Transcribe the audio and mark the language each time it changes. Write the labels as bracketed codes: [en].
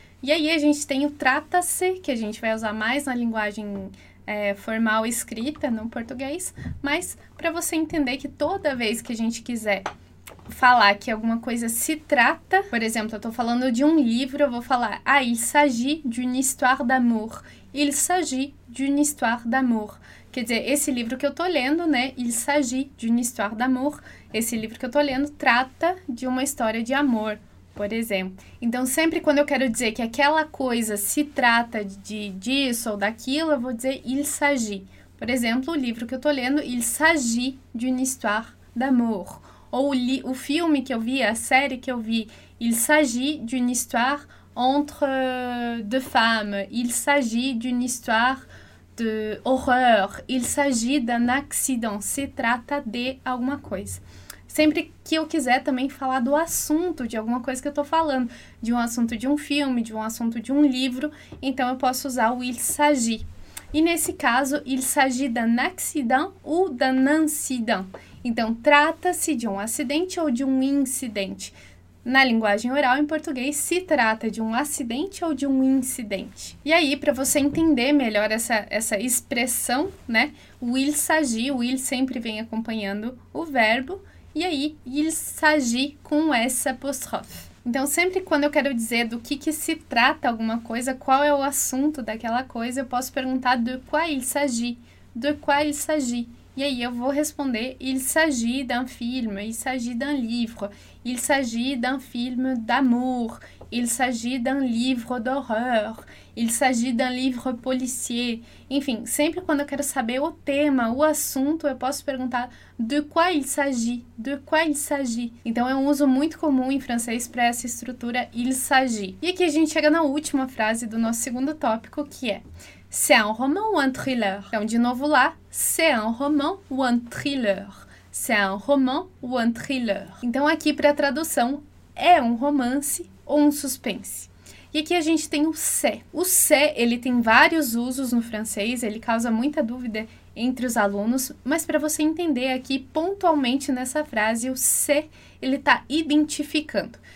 [pt] E aí a gente tem o trata-se, que a gente vai usar mais na linguagem formal escrita, no português, mas para você entender que toda vez que a gente quiser falar que alguma coisa se trata, por exemplo, eu estou falando de um livro, eu vou falar: [fr] Ah, il s'agit d'une histoire d'amour. Il s'agit d'une histoire d'amour. [pt] Quer dizer, esse livro que eu estou lendo, né? [fr] Il s'agit d'une histoire d'amour. [pt] Esse livro que eu estou lendo trata de uma história de amor, por exemplo. Então, sempre quando eu quero dizer que aquela coisa se trata de disso ou daquilo, eu vou dizer [fr] il s'agit. [pt] Por exemplo, o livro que eu estou lendo, [fr] il s'agit d'une histoire d'amour. [pt] Ou o filme que eu vi, [fr] a série que eu vi, il s'agit d'une histoire entre deux femmes, il s'agit d'une histoire de horreur, il s'agit d'un accident, [pt] se trata de alguma coisa. Sempre que eu quiser também falar do assunto, de alguma coisa que eu estou falando, de um assunto de um filme, de um assunto de um livro, então eu posso usar o [fr] il s'agit. [pt] E nesse caso, [fr] il s'agit d'un accident ou d'un incident. [pt] Então, trata-se de um acidente ou de um incidente? Na linguagem oral, em português, se trata de um acidente ou de um incidente? E aí, para você entender melhor essa expressão, né? O il s'agit, o il sempre vem acompanhando o verbo, e aí, il s'agit com essa apostrofe. Então, sempre quando eu quero dizer do que se trata alguma coisa, qual é o assunto daquela coisa, eu posso perguntar [fr] de quoi il s'agit, de quoi il s'agit. [pt] E aí eu vou responder: [fr] il s'agit d'un film, il s'agit d'un livre, il s'agit d'un film d'amour, il s'agit d'un livre d'horreur, il s'agit d'un livre policier. [pt] Enfim, sempre quando eu quero saber o tema, o assunto, eu posso perguntar [fr] de quoi il s'agit, de quoi il s'agit. [pt] Então é um uso muito comum em francês para essa estrutura [fr] il s'agit. [pt] E aqui a gente chega na última frase do nosso segundo tópico, que é: [fr] C'est un roman ou un thriller? [pt] Então, de novo lá, [fr] c'est un roman ou un thriller? C'est un roman ou un thriller? [pt] Então, aqui para a tradução, é um romance ou um suspense? E aqui a gente tem o c'est. O c'est, ele tem vários usos no francês, ele causa muita dúvida entre os alunos, mas para você entender aqui pontualmente nessa frase, o c'est, ele está identificando.